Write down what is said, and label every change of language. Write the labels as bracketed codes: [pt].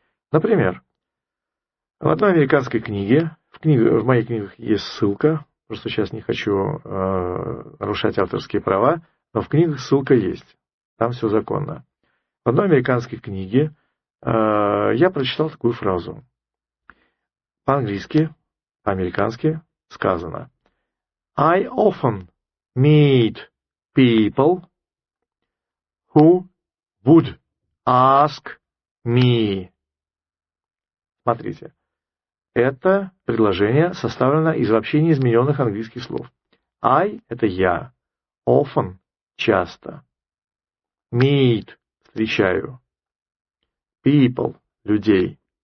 [ru] Например, в одной американской книге, в моих книгах есть ссылка, просто сейчас не хочу нарушать авторские права, но в книгах ссылка есть, там все законно. В одной американской книге я прочитал такую фразу. По-английски, по-американски сказано. [en] I often meet people who would ask me. [ru] Смотрите. Это предложение составлено из вообще неизмененных английских слов. I — это я. Often — часто. Meet — встречаю. People — людей.